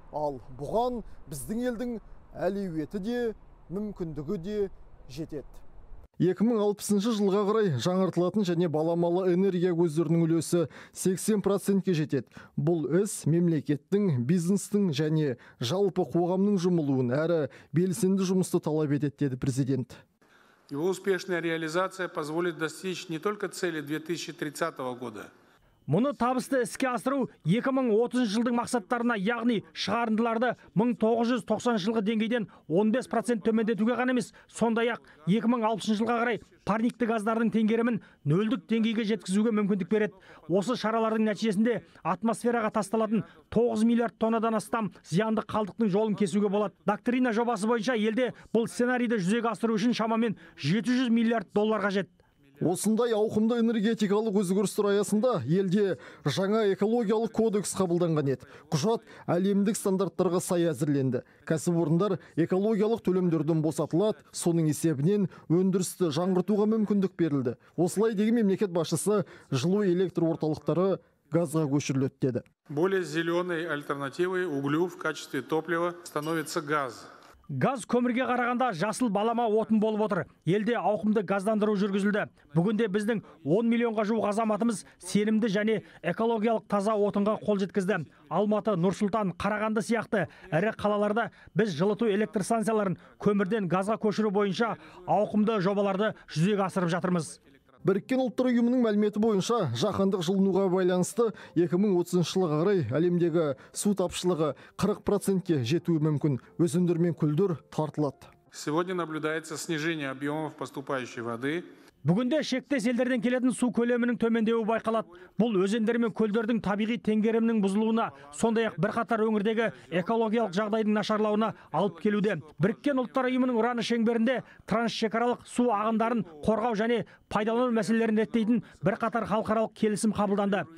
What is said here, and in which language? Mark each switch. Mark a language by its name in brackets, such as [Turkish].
[Kazakh] Ал бұған біздің елдің әлеуеті де, мүмкіндігі де жетеді. 2060 жылға қарай жаңартылатын және баламалы энергия көздерінің үлесі 80%-ке жетеді. Бұл іс мемлекеттің, бизнестің және жалпы қоғамның жұмылуын әрі белсенді жұмысты талап етеді, деді президент. [Russian] Его успешная реализация позволит достичь не только цели 2030 года. [Kazakh] Мұны табысты іске асыру 2030 жылдың мақсаттарына, яғни шығарындыларды 1990 жылғы деңгейден 15% төмендетуге ғана емес, сондай-ақ 2060 жылға қарай парникті газдардың теңгерімін нөлдік деңгейге жеткізуге мүмкіндік береді. Осы шаралардың нәтижесінде атмосфераға тасталатын 9 миллиард тоннадан астам зиянды қалдықтың жолын кесуге болады. Доктрина жобасы бойынша елде бұл сценарийді жүзеге асыру үшін шамамен 700 миллиард доллар қажет. Осындай ауқымды энергетикалық өзгерістер аясында елде жаңа экологиялық кодекс қабылданған еді. Құжат әлемдік стандарттарға сай әзірленді. Кәсіпорындар экологиялық төлемдерден босатылады, соның есебінен өндірісті жаңғыртуға мүмкіндік берілді. Осылай деген мемлекет басшысы жылу электр орталықтары газға көшіріледі деді. [Russian] Более зеленой альтернативой углю в качестве топлива становится газ. [Kazakh] Газ көмірге қарағанда жасыл балама отын болып отыр. Елде ауқымды газдандыру жүргізілді. Бүгінде біздің 10 миллионға жуық азаматымыз сенімді және экологиялық таза отынға қол жеткізді. Алматы, Нұрсұлтан, Қарағанды сияқты ірі қалаларда біз жылыту электр станцияларын көмірден газға көшіру бойынша ауқымды жобаларды жүзеге асырып жатырмыз. Біріккен ұлттар ұйымының мәліметі бойынша жаһандық жылынуға байланысты 2030 жылға қарай әлемдегі су тапшылығы 40%-ке жетуі мүмкін. Өзендер мен көлдер тартылады. [Russian] Сегодня наблюдается снижение объемов поступающей воды. [Kazakh] Бүгінде шектес елдерден келетін су көлемінің төмендеуі байқалады. Бұл өзендер мен көлдердің табиғи теңгерімінің бұзылуына, сондай-ақ бірқатар өңірдегі экологиялық жағдайдың нашарлауына алып келуде. Біріккен ұлттар ұйымының ұраны шеңберінде трансшекаралық су ағындарын қорғау және пайдалану мәселелерін реттейтін бірқатар халықаралық келісім қабылданды.